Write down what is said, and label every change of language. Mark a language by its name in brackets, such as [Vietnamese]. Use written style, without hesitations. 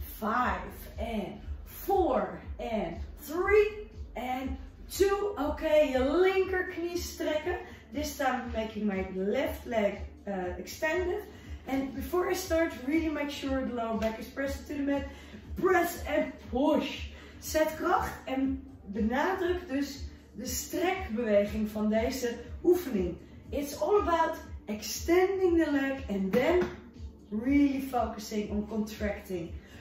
[Dutch] 5, 4, 3, 2. Okay, je linkerknie strekken. [English] This time I'm making my left leg extended. And before I start, really make sure the lower back is pressed to the mat. Press and push. [Dutch] Zet kracht en benadruk dus de strekbeweging van deze oefening. [English] It's all about extending the leg and then really focusing on contracting.